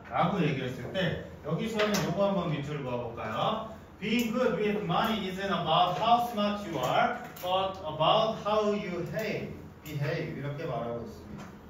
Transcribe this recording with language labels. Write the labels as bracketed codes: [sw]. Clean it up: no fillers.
[ko] 라고 얘기했을 때 여기서는 요거 한번 밑줄 그어볼까요? [en] Being good with money isn't about how smart you are, but about how you behave. [ko] 이렇게 말하고 있습니다.